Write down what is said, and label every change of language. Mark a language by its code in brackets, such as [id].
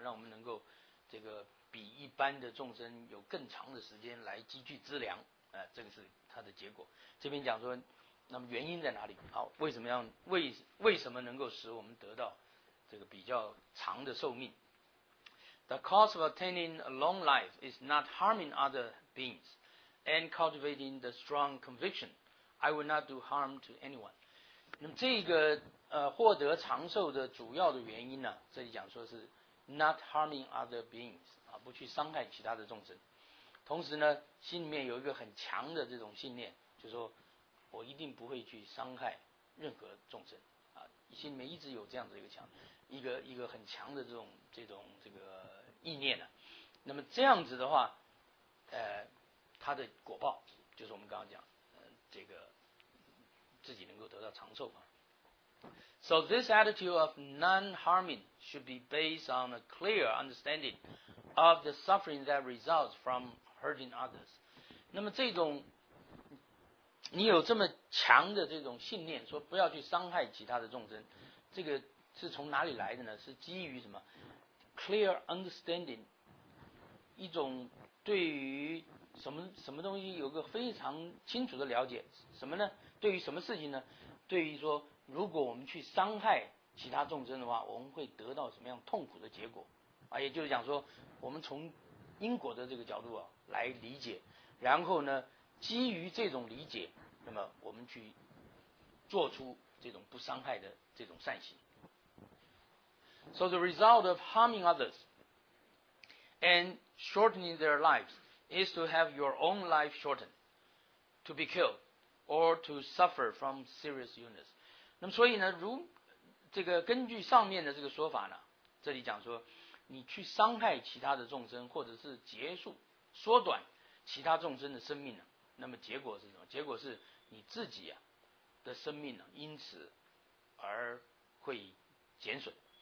[zh] 让我们能够这个比一般的众生有更长的时间来积聚资粮啊，这个是它的结果。这边讲说，那么原因在哪里？好，为什么要为什么能够使我们得到这个比较长的寿命？ [en] The cause of attaining a long life is not harming other beings and cultivating the strong conviction, I will not do harm to anyone. [zh] 那么这个获得长寿的主要的原因呢，这里讲说是 [en] not harming other beings [zh] 啊，不去伤害其他的众生。同时呢，心里面有一个很强的这种信念，就是说我一定不会去伤害任何众生啊，心里面一直有这样的一个强。一个很强的这种这个意念呢、啊，那么这样子的话，他的果报就是我们刚刚讲，这个自己能够得到长寿嘛。 [en] So this attitude of non-harming should be based on a clear understanding of the suffering that results from hurting others。 [zh] 那么这种你有这么强的这种信念，说不要去伤害其他的众生，这个。是从哪里来的呢？是基于什么 [en] clear understanding， [zh] 一种对于什么东西有个非常清楚的了解。什么呢？对于什么事情呢？对于说如果我们去伤害其他众生的话，我们会得到什么样痛苦的结果啊？也就是讲说，我们从因果的这个角度啊来理解，然后呢基于这种理解，那么我们去做出这种不伤害的这种善行。 [en] So the result of harming others and shortening their lives is to have your own life shortened, to be killed, or to suffer from serious illness. [zh] 那么所以呢，如这个根据上面的这个说法呢，这里讲说，你去伤害其他的众生，或者是结束、缩短其他众生的生命呢，那么结果是什么？结果是你自己啊的生命呢，因此而会减损。